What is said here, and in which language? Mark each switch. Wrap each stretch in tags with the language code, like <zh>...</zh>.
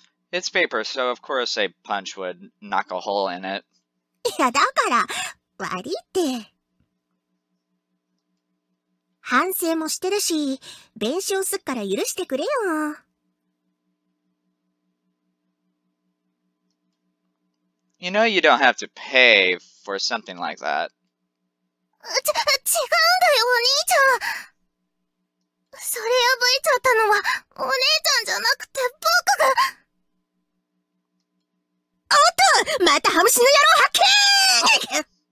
<en>It's paper, so of course a punch would knock a hole in it.</en> <ja>Yeah, だから、悪いって。反省もしてるし、弁償すっから許してくれよ。</ja> <en>You know you don't have to pay for something like that.</en> <ja>違うんだよ、お兄ちゃん。それ破いちゃったのは、お姉ちゃんじゃなくて僕が。おっと、またハムシの野郎発見。</ja>